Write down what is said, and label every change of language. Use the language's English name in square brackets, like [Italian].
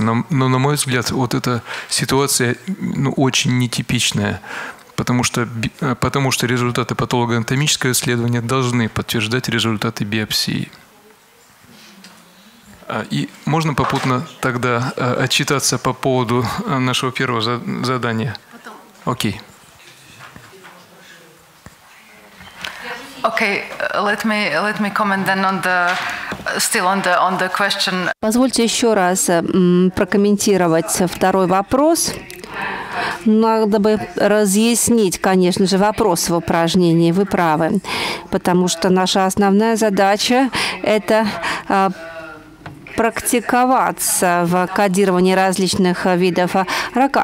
[Russian] Но на мой взгляд, вот эта ситуация, ну, очень нетипичная, потому что результаты патологоанатомического исследования должны подтверждать результаты биопсии. И можно попутно тогда отчитаться по поводу нашего первого задания? Окей. [English] Okay, let me comment then on the still on the question. [Russian] Позвольте еще раз прокомментировать второй вопрос. Надо бы разъяснить, конечно же, вопрос в упражнении. Вы правы, потому что наша основная задача — это практиковаться в кодировании различных видов рака.